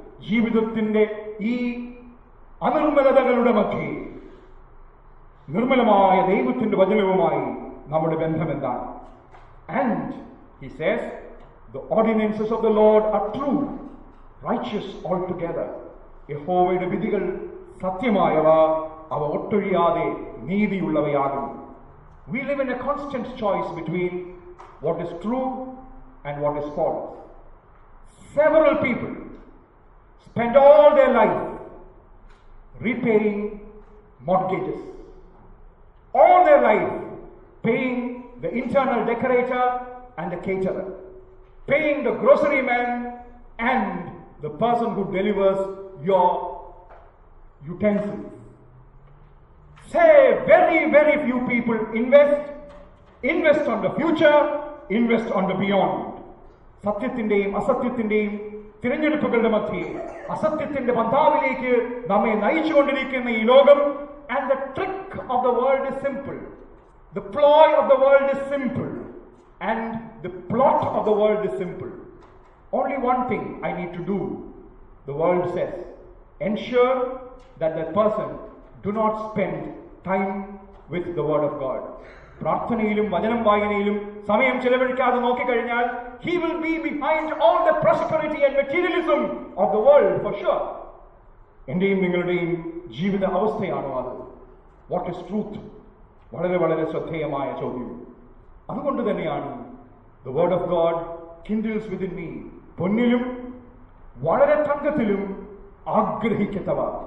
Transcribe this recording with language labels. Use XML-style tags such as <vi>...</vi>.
<ml>ജീവിതത്തിന്റെ ഈ അനിർമ്മലതകളുടെ മധ്യേ നിർമ്മലമായ ദൈവത്തിന്റെ വചനവുമായി നമ്മുടെ ബന്ധം എന്താണ്?</ml> <en>And he says the ordinances of the Lord are true, righteous altogether.</en> <ml>യഹോവയുടെ വിധികൾ സത്യമായവ, അവ ഒട്ടൊഴിയാതെ നീതിയുള്ളവയാകുന്നു.</ml> <en>We live in a constant choice between what is true and what is false. Several people spend all their life repaying mortgages, all their life paying the internal decorator and the caterer, paying the grocery man and the person who delivers your utensils. Say, very, very few people invest on the future, invest on the beyond.</en> <ml>സത്യത്തിന്റെയും അസത്യത്തിന്റെയും തിരഞ്ഞെടുപ്പുകളുടെ മധ്യേ അസത്യത്തിന്റെ പന്താവിലേക്ക് നമ്മെ നയിച്ചു കൊണ്ടിരിക്കുന്ന ഈ ലോകം.</ml> <en>And the trick of the world is simple. The ploy of the world is simple. And the plot of the world is simple. Only one thing I need to do, the world says. Ensure that that person do not spend time with the word of God.</en> <ml>പ്രാർത്ഥനയിലും വചനം വായനയിലും സമയം ചെലവഴിക്കാതെ നോക്കിക്കഴിഞ്ഞാൽ</ml> <en>He will be behind all the prosperity and materialism of the world for sure.</en> <ml>എന്റെയും നിങ്ങളുടെയും ജീവിത അവസ്ഥയാണോ അത്?</ml> <en>What is truth?</en> <ml>വളരെ വളരെ ശ്രദ്ധേയമായ ചോദ്യം. അതുകൊണ്ട് തന്നെയാണ്</ml> <en>the word of God kindles within me</en> <ml>പൊന്നിലും വളരെ തങ്കത്തിലും ആഗ്രഹിക്കത്തവ.</ml>